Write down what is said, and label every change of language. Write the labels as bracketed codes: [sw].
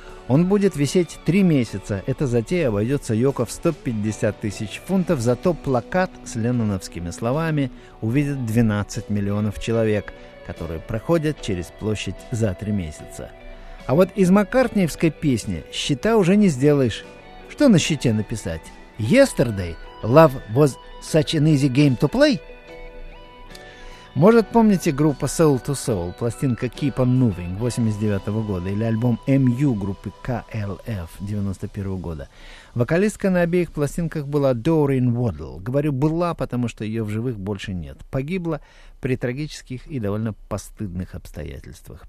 [ru] Он будет висеть 3 месяца. Эта затея обойдется Йоко в 150 тысяч фунтов, зато плакат с ленноновскими словами увидят 12 миллионов человек, которые проходят через площадь за 3 месяца. А вот из маккартниевской песни щита уже не сделаешь. Что на щите написать? [en] «Yesterday love was such an easy game to play»? [ru] Может, помните группу Soul to Soul, пластинка Keep on Moving 89 года или альбом MU группы KLF 91 года? Вокалистка на обеих пластинках была Doreen Waddle. Говорю «была», потому что ее в живых больше нет. Погибла при трагических и довольно постыдных обстоятельствах.